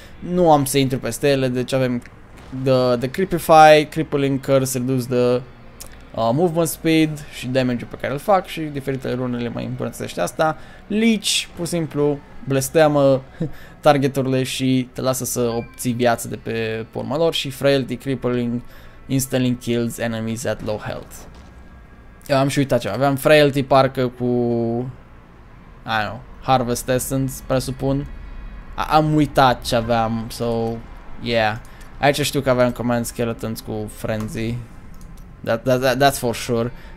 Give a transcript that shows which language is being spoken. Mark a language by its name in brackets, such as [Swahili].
[Romanian] Nu am să intru peste ele, deci avem [English] the creepify, crippling curse, reduce the movement speed [Romanian] și damage-ul pe care îl fac și diferitele rune le mai îmbunătățește asta. Leech, pur și simplu, blesteamă targeturile și te lasă să obții viață de pe urma lor. Și [English] frailty, crippling, instantly kills enemies at low health. [Romanian] Eu am și uitat ceva, aveam frailty parcă cu, [English] I don't know, [Romanian] harvest essence, presupun. Am uitat ce aveam, [English] so, yeah. [Romanian] Aici știu că aveam command skeletons cu frenzy. [English] That's for sure.